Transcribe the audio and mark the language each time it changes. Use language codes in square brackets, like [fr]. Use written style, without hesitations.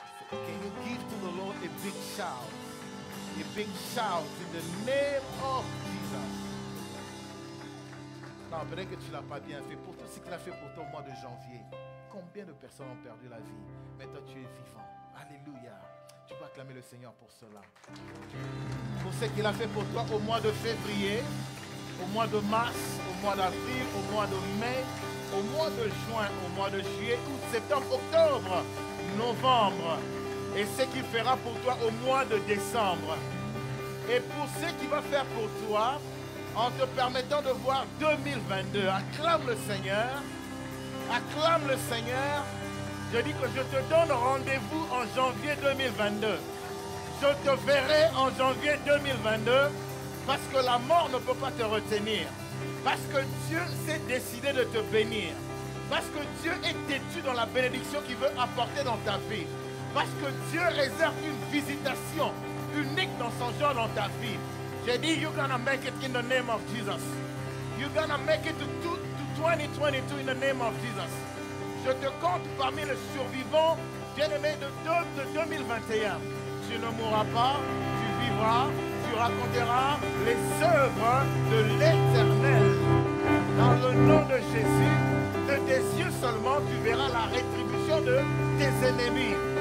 [en] Can you give to the Lord a big shout? A big shout in the name of Jesus. [fr] Non, peut-être que tu ne l'as pas bien fait pour tout ce qu'il a fait pour toi au mois de janvier. Combien de personnes ont perdu la vie? Mais toi, tu es vivant. Alléluia. Tu peux acclamer le Seigneur pour cela. Pour ce qu'il a fait pour toi au mois de février, au mois de mars, au mois d'avril, au mois de mai, au mois de juin, au mois de juillet, août, septembre, octobre, novembre. Et ce qu'il fera pour toi au mois de décembre. Et pour ce qu'il va faire pour toi, en te permettant de voir 2022, acclame le Seigneur. Acclame le Seigneur. Je dis que je te donne rendez-vous en janvier 2022. Je te verrai en janvier 2022 parce que la mort ne peut pas te retenir. Parce que Dieu s'est décidé de te bénir. Parce que Dieu est têtu dans la bénédiction qu'il veut apporter dans ta vie. Parce que Dieu réserve une visitation unique dans son genre dans ta vie. J'ai dit, [en] you're gonna make it in the name of Jesus. You're gonna make it to 2022 in the name of Jesus. [fr] Je te compte parmi les survivants, bien-aimés de 2021. Tu ne mourras pas, tu vivras, tu raconteras les œuvres de l'Éternel. Dans le nom de Jésus, de tes yeux seulement, tu verras la rétribution de tes ennemis.